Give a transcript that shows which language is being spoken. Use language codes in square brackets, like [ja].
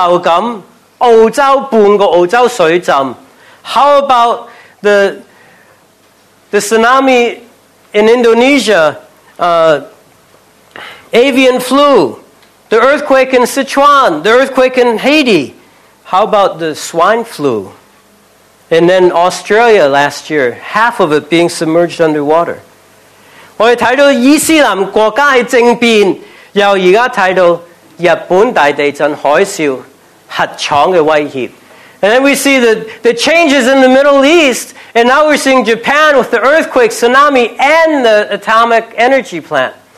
[zh] 南亚海啸、禽流感、四川大地震、海地大地震、澳洲半个澳洲水浸。 [en] How about the tsunami in Indonesia, avian flu, the earthquake in Sichuan, the earthquake in Haiti? How about the swine flu? And then Australia last year, half of it being submerged underwater. [zh] 我们看到伊斯兰国家的政变，又现在看到日本大地震海啸、核厂的威胁。 [en] And then we see the changes in the Middle East, and now we're seeing Japan with the earthquake, tsunami, and the atomic energy plant.